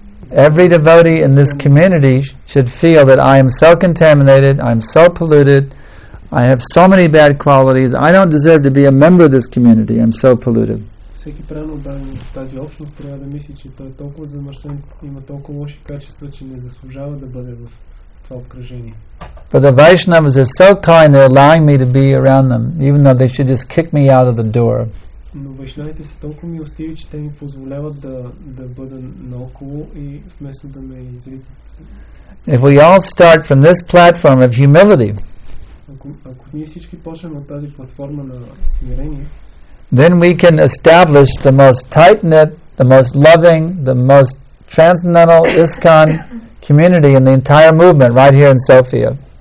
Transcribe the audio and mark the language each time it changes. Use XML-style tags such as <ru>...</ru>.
<en>Every devotee in this community should feel that I am so contaminated, I am so polluted, I have so many bad qualities. I don't deserve to be a member of this community. I'm so polluted.</en> <bg>Всеки правилно даден в тази общност трябва да мисли, че той е толкова замърсен, има толкова лоши качества, че не заслужава да бъде в това обкръжение.</bg> <en>But the Vaishnavas are so kind, they're allowing me to be around them, even though they should just kick me out of the door.</en> <bg>Но вайшнавите са толкова милостиви, че те ми позволяват да бъда наоколо и вместо да ме изритат.</bg> <en>If we all start from this platform of humility,</en> <bg>ако ние всички почнем от тази платформа на смирение,</bg> <en>then we can establish the most tight-knit the most loving, the most transcendental ISKCON community in the entire movement right here in Sofia.</en>